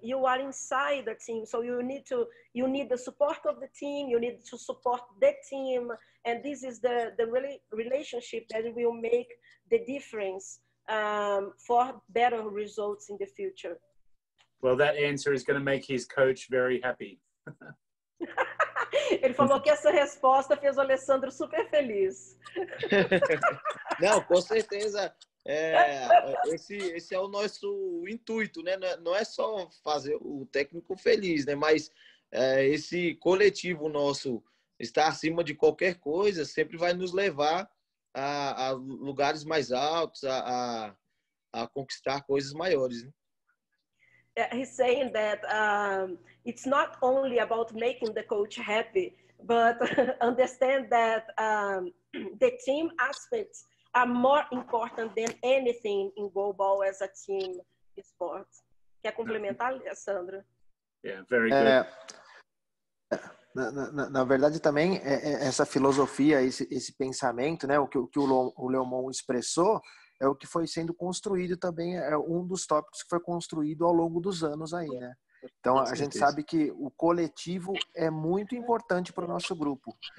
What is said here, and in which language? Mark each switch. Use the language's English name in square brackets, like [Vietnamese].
[English] You are inside the team, so you need the support of the team, you need to support the team, and this is the really relationship that will make the difference for better results in the future. Well, that answer is going to make his coach very happy. [Portuguese] Ele falou que essa resposta fez o Alessandro super feliz. Não, com certeza. Esse é o nosso intuito, né? Não é só fazer o técnico feliz, né? Mas esse coletivo nosso estar acima de qualquer coisa sempre vai nos levar a lugares mais altos, a conquistar coisas maiores, né? [English] He's saying that it's not only about making the coach happy, but understand that the team aspects are more important than anything in goalball as a team sport. [Portuguese] Quer complementar, Alessandra? [English] Yeah, very good. [Portuguese] Na verdade, também, essa filosofia, esse pensamento, né, o que o Leomond expressou, é o que foi sendo construído também, é um dos tópicos que foi construído ao longo dos anos aí, né? Então, a gente sabe que o coletivo é muito importante para o nosso grupo.